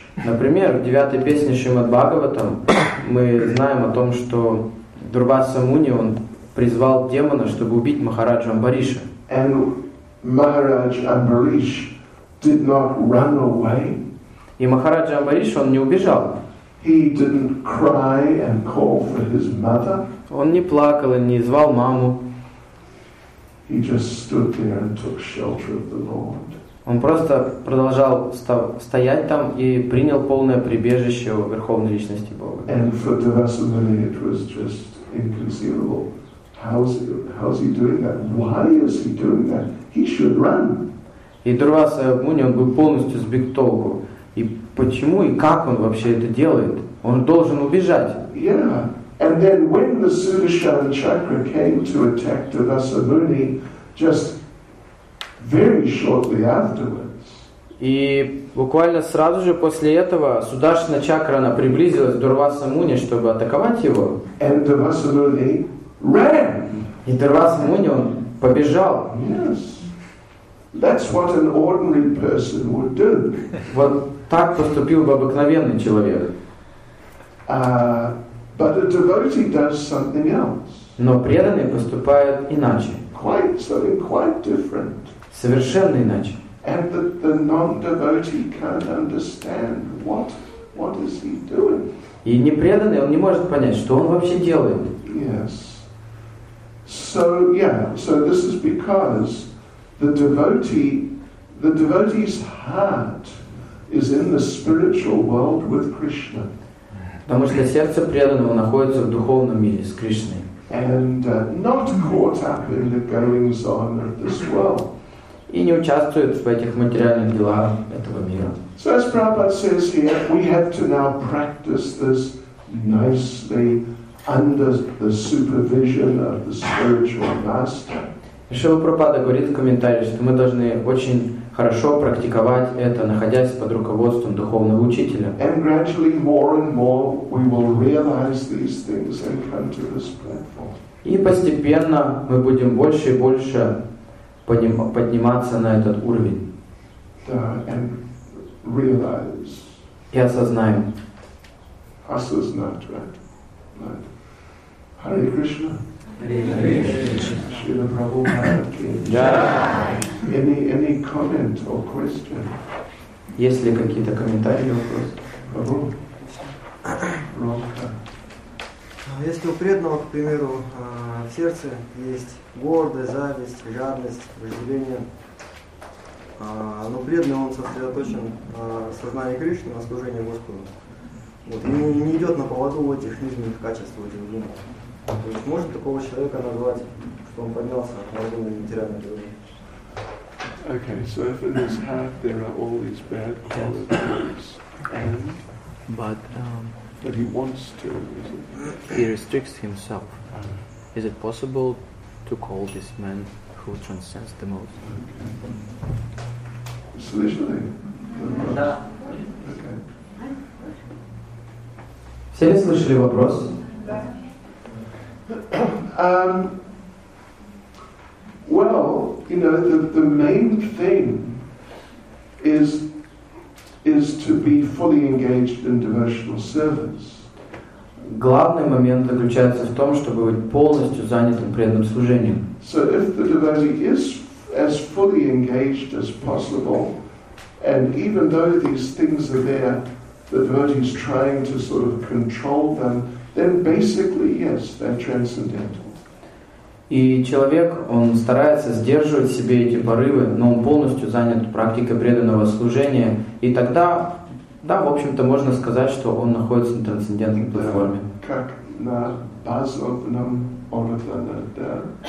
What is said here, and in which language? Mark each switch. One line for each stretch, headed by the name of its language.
Russian: Например, в девятой песне Шримад-Бхагаватам мы знаем о том, что Дурвасамуни он призвал демона, чтобы убить Махараджа Амбариша.
English: And Maharaj Amharish did not run away.
Russian: И Махараджа Амбариш, он не убежал.
English: He didn't cry and call for his mother.
Russian: Он не плакал и не звал маму.
English: He just stood there and took shelter of the Lord.
Russian: Он просто продолжал стоять там и принял полное прибежище у Верховной Личности Бога.
English: And for Devasamuni it was just inconceivable. How's he doing that? Why is he doing that? He should run.
Russian: И Дурвасамуни, он был полностью сбит с толку. И почему и как он вообще это делает? Он должен убежать.
English: Yeah. And then when the Sudarshan Chakra came to attack Devasamuni, just very shortly afterwards.
Russian: И буквально сразу же после этого Сударшана Чакра она приблизилась к Дурвасамуни, чтобы атаковать его.
English: And Devasamuni ran.
Russian: И Дурвасамуни он побежал.
English: Yes. That's what an ordinary person would do.
Russian: Вот. Так поступил бы обыкновенный человек.
English: But a devotee does something else.
Russian: Но преданный поступает иначе.
English: Quite different.
Russian: Совершенно иначе.
English: And the non-devotee can't understand what is he doing.
Russian: И непреданный он не может понять, что он вообще делает.
English: Yes. So yeah. So this is because the devotee's heart is in the spiritual world with Krishna.
Russian: Потому что сердце преданного находится в духовном мире с Кришной.
English: And not caught up in the goings on of this world.
Russian: И не участвует в этих материальных делах этого мира.
English: So as Prabhupada says here, we have to now practice this nicely under the supervision of the spiritual master.
Russian: Шрила Прабхупада говорит в комментарии, что мы должны очень хорошо практиковать это, находясь под руководством духовного учителя.
English: And gradually more and more we will realize these things and come to this platform.
Russian: И постепенно мы будем больше и больше подниматься на этот уровень. Да,
English: and realize.
Russian: И осознаем.
English: Asasnat, right? Hare Krishna. Hare Krishna. Shri Prabhupada ki. Jai. Any comment or question?
Russian: Есть ли какие-то комментарии или вопросы? Прабху. Прабху. Если у преданного, к примеру, в сердце есть гордость, зависть, жадность, вожделение, но преданный он сосредоточен в сознании Кришны, на служении Господу. Вот, и не идет на поводу этих нижних качеств, этих думок. То есть может такого человека назвать, что он поднялся на уровень материальной жизни.
English: Okay, so if in his heart there are all these bad qualities, and but he wants to, is it? He restricts himself. Is it possible to call this man who transcends the most?
Russian: Okay. Слышали? Да.
English: Okay.
Russian: Все ли слышали вопрос? Да.
English: Well, you know, the main thing is to be fully engaged in devotional service.
Russian: Главный момент заключается в том, чтобы быть полностью занятым преданным служением.
English: So if the devotee is as fully engaged as possible, and even though these things are there, the devotee is trying to sort of control them, then basically, yes, they're transcendental.
Russian: И человек, он старается сдерживать себе эти порывы, но он полностью занят практикой преданного служения. И тогда, да, в общем-то, можно сказать, что он находится на трансцендентной платформе. Как на базовном уровне, да?